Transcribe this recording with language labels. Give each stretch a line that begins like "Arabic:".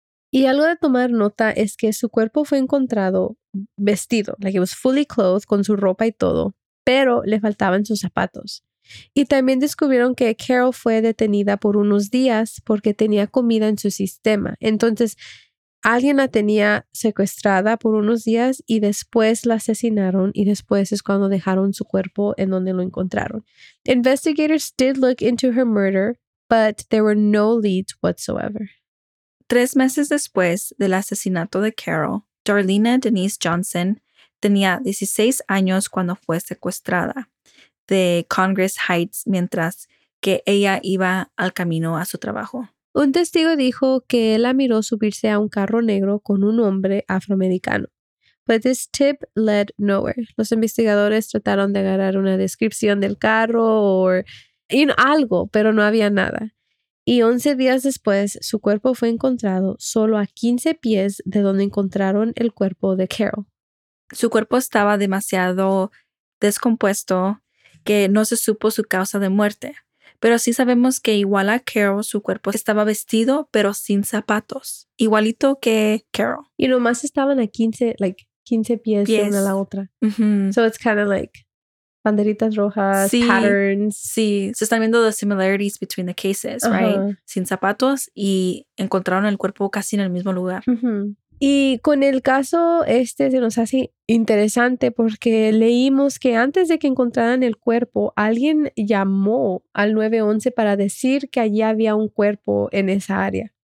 Spanish: Y algo de tomar nota es que su cuerpo fue encontrado vestido,
English: like it was fully clothed,
Spanish: con su ropa y todo, pero le faltaban sus zapatos. Y también descubrieron que Carol fue detenida por unos días porque tenía comida en su sistema. Entonces, alguien la tenía secuestrada por unos días y después la asesinaron y después es cuando dejaron su cuerpo en donde lo encontraron.
English: Investigators did look into her murder, but there were no leads whatsoever.
Spanish: 3 meses después del asesinato de Carol, Darlena Denise Johnson tenía 16 años cuando fue secuestrada. de Congress Heights mientras que ella iba al camino a su trabajo. Un testigo dijo que él la miró subirse a un carro negro con un hombre afroamericano.
English: But this tip led nowhere.
Spanish: Los investigadores trataron de agarrar una descripción del carro o algo, pero no había nada. Y 11 días después, su cuerpo fue encontrado solo a 15 pies de donde encontraron el cuerpo de Carol. Su cuerpo estaba demasiado descompuesto que no se supo su causa de muerte. Pero sí sabemos que igual a Carol, su cuerpo estaba vestido, pero sin zapatos. Igualito que Carol. Y nomás estaban a 15 pies de una a la otra. Mm-hmm.
English: So it's kind of like
Spanish: banderitas rojas, sí,
English: patterns.
Spanish: Sí, se están viendo
English: the similarities between the cases, uh-huh. Right?
Spanish: Sin zapatos y encontraron el cuerpo casi en el mismo lugar. Mm-hmm. Y con el caso este se nos hace interesante porque leímos que antes de que encontraran el cuerpo, alguien llamó al 911 para decir que allí había un cuerpo en esa área.